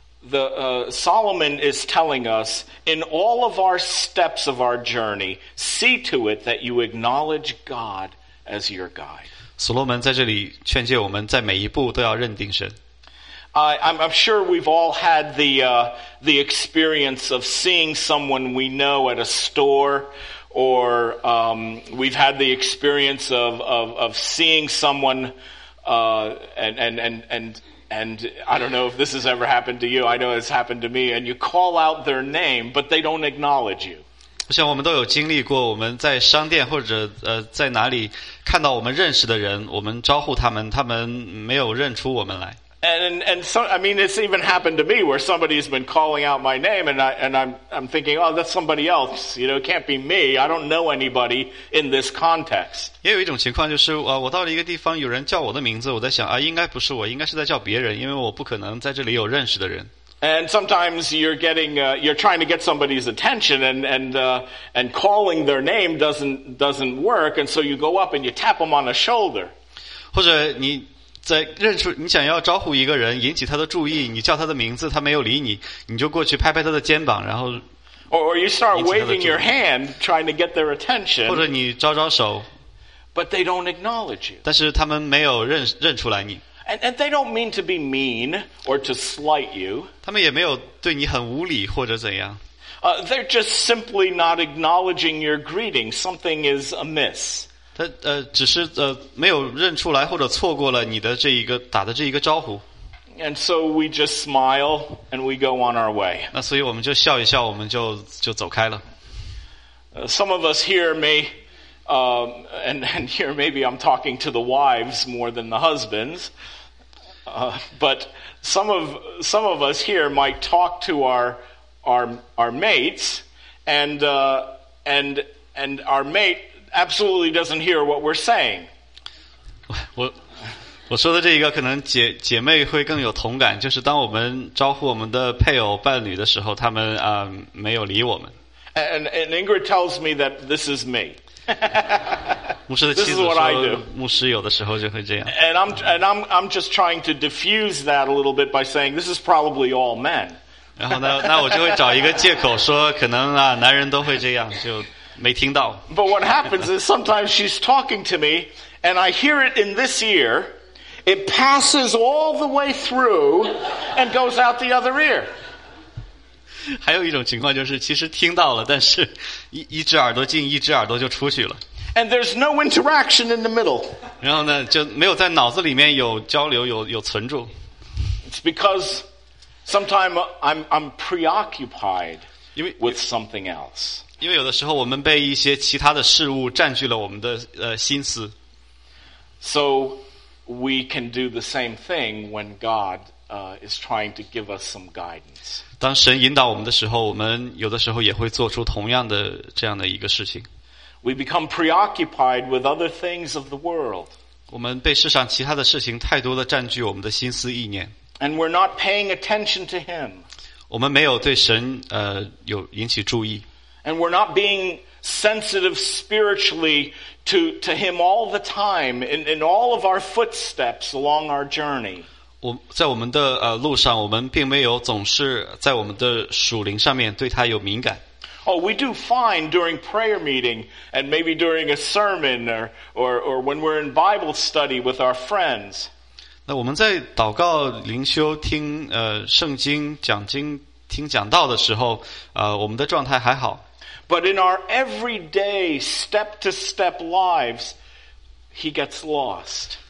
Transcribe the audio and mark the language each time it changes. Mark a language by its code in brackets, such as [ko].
[en] The Solomon is telling us in all of our steps of our journey, see to it that you acknowledge God as your guide. [zh] 所罗门在这里劝诫我们在每一步都要认定神。 [en] I'm sure we've all had the experience of seeing someone we know at a store, or we've had the experience of seeing someone, and I don't know if this has ever happened to you. I know it's happened to me. And you call out their name, but they don't acknowledge you. [zh] 我想我们都有经历过，我们在商店或者在哪里看到我们认识的人，我们招呼他们，他们没有认出我们来。 [en] And so, I mean, it's even happened to me where somebody's been calling out my name and I'm thinking, oh, that's somebody else. You know, it can't be me. I don't know anybody in this context. [zh] 也有一种情况就是，我到了一个地方，有人叫我的名字，我在想，应该不是我，应该是在叫别人，因为我不可能在这里有认识的人。 [en] And sometimes you're trying to get somebody's attention and calling their name doesn't work. And so you go up and you tap them on the shoulder. [zh] 或者你在认出你想要招呼一个人引起他的注意，你叫他的名字他没有理你，你就过去拍拍他的肩膀，然后 [en] or you start waving your hand trying to get their attention, [zh] 或者你招招手， [en] but they don't acknowledge you, [zh] 但是他们没有认出来你。 [en] And they don't mean to be mean or to slight you, [zh] 他们也没有对你很无理或者怎样。 [en] They're just simply not acknowledging your greeting. Something is amiss. [zh] 只是没有认出来或者错过了你的这一个打的这一个招呼。 [en] And so we just smile and we go on our way. [zh] 那所以我们就笑一笑，我们就走开了。 [en] Some of us here may, and here maybe I'm talking to the wives more than the husbands, but some of us here might talk to our mates and our mate. Absolutely doesn't hear what we're saying. [zh] 我说的这一个可能姐妹会更有同感，就是当我们招呼我们的配偶伴侣的时候，他们没有理我们。 [en] And Ingrid tells me that this is me. [zh] 牧师的妻子说，牧师有的时候就会这样。 [en] And I'm just trying to diffuse that a little bit by saying this is probably all men. [zh] 然后那我就会找一个借口说，可能男人都会这样就。没听到。 [en] But what happens is sometimes she's talking to me, and I hear it in this ear. It passes all the way through, and goes out the other ear. [zh] 还有一种情况就是，其实听到了，但是一只耳朵进，一只耳朵就出去了。 [en] And there's no interaction in the middle. [zh] 然后呢，就没有在脑子里面有交流，有存住。 [en] It's because sometimes I'm preoccupied with something else. [zh] 因为有的时候我们被一些其他的事物占据了我们的心思。 [en] So we can do the same thing when God is trying to give us some guidance. [zh] 当神引导我们的时候，我们有的时候也会做出同样的这样的一个事情。 [en] We become preoccupied with other things of the world. [zh] 我们被世上其他的事情太多的占据我们的心思意念。 [en] And we're not paying attention to Him. [zh] 我们没有对神有引起注意。 [en] And we're not being sensitive spiritually to him all the time in all of our footsteps along our journey. [zh] 在我们的路上，我们并没有总是在我们的属灵上面对他有敏感。 [en] Oh, we do fine during prayer meeting and maybe during a sermon or when we're in Bible study with our friends. [zh] 那我们在祷告、灵修、听圣经、讲经、听讲道的时候，我们的状态还好。 [en] But in our everyday step-to-step lives, he gets lost.